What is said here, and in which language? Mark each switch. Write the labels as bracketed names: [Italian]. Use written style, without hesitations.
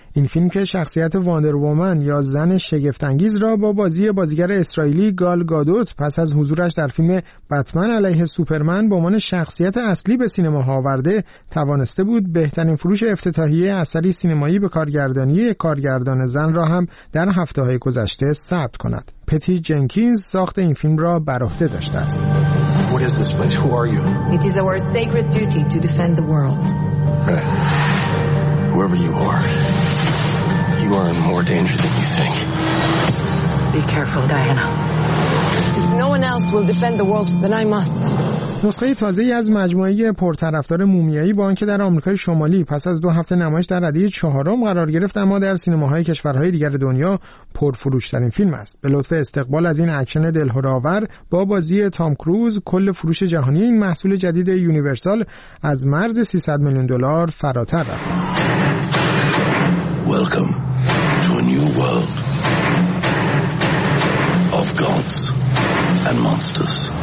[Persian] این فیلم که شخصیت واندر وومن یا زن شگفت‌انگیز را با بازی بازیگر اسرائیلی گال گادوت پس از حضورش در فیلم بتمن علیه سوپرمن به عنوان شخصیت اصلی به سینما آورده، توانسته بود بهترین فروش افتتاحیه اثری سینمایی به کارگردانی کارگردان زن را هم در هفته‌های گذشته ثبت کند. پتی جنکینز ساخت این فیلم را بر عهده داشته است. [English] What is this place? Who are you? It is our sacred duty to defend the world. Whoever you are in more danger than you think. Be careful, Diana. No one else will defend the world than I must. [Persian] نسخه تازه‌ای از مجموعه پرطرفدار مومیایی با آنکه در آمریکای شمالی پس از دو هفته نمایش در ردیه چهارم قرار گرفت، اما در سینماهای کشورهای دیگر دنیا پرفروش‌ترین فیلم است. به لطف استقبال از این اکشن دلهره‌آور با بازی تام کروز، کل فروش جهانی این محصول جدید یونیورسال از مرز 300 میلیون دلار فراتر رفت. [English] Welcome to a new world of gods and monsters.